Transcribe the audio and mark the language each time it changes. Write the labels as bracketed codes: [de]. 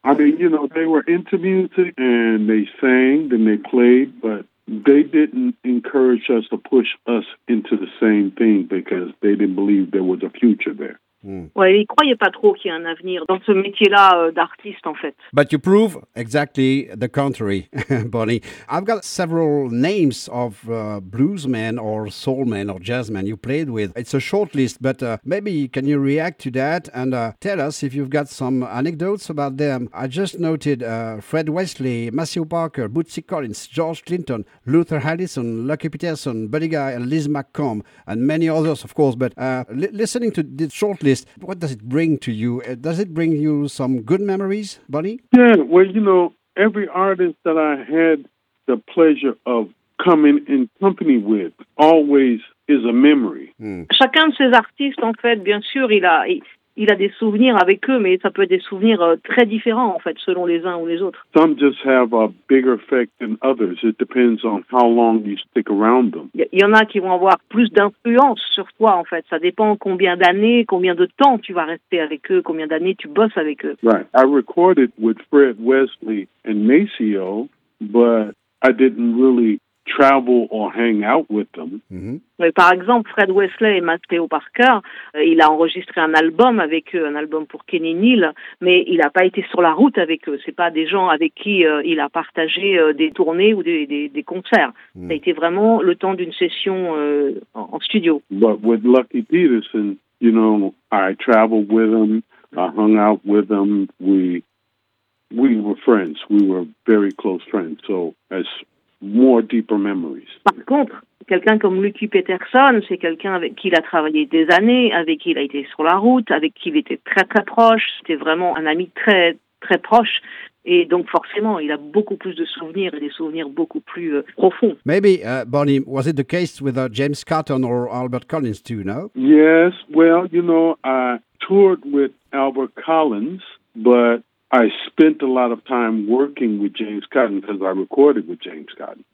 [en] I mean, you know, they were into me. And they sang, then they played, but they didn't encourage us or push us into the same thing because they didn't believe there was a future there. Mm. [fr] Ouais, ils croyaient pas trop qu'il y ait un avenir dans ce métier-là d'artiste, en fait. [en] But you prove exactly the contrary, Bonnie. I've got several names of bluesmen or soulmen or jazzmen you played with. It's a short list, but maybe can you react to that and tell us if you've got some anecdotes about them? I just noted Fred Wesley, Maceo Parker, Bootsy Collins, George Clinton, Luther Allison, Lucky Peterson, Buddy Guy, and Liz McComb, and many others, of course. But listening to this short list, what does it bring to you? Does it bring you some good memories, Bonnie? Yeah, well, you know, every artist that I had the pleasure of coming in company with always is a memory. [fr] Chacun de ces artistes, en fait, bien sûr, il a des souvenirs avec eux, mais ça peut être des souvenirs très différents, en fait, selon les uns ou les autres. [en] Some just have a bigger effect than others. It depends on how long you stick around them. [fr] Il y en a qui vont avoir plus d'influence sur toi, en fait. Ça dépend combien d'années, combien de temps tu vas rester avec eux, combien d'années tu bosses avec eux. [en] Right. I recorded with Fred Wesley and Maceo, but I didn't really travel or hang out with them. Mm-hmm. [fr] Par exemple, Fred Wesley et Maceo Parker, il a enregistré un album avec eux, un album pour Kenny Neal, mais il n'a pas été sur la route avec eux. C'est pas des gens avec qui il a partagé des tournées ou des concerts. Mm-hmm. Ça a été vraiment le temps d'une session en studio. [en] But with Lucky Peterson, you know, I traveled with him. I hung out with him. We were friends. We were very close friends. So as more deeper memories. [fr] Par contre, quelqu'un comme Lucky Peterson, c'est quelqu'un avec qui il a travaillé des années, avec qui il a été sur la route, avec qui il était très très proche. C'était vraiment un ami très très proche. Et donc forcément, il a beaucoup plus de souvenirs et des souvenirs beaucoup plus profonds. [en] Maybe, Bonnie, was it the case with James Cotton or Albert Collins too, no? Yes, well, you know, I toured with Albert Collins, but I spent a lot of time working with James Cotton because I recorded with James Cotton.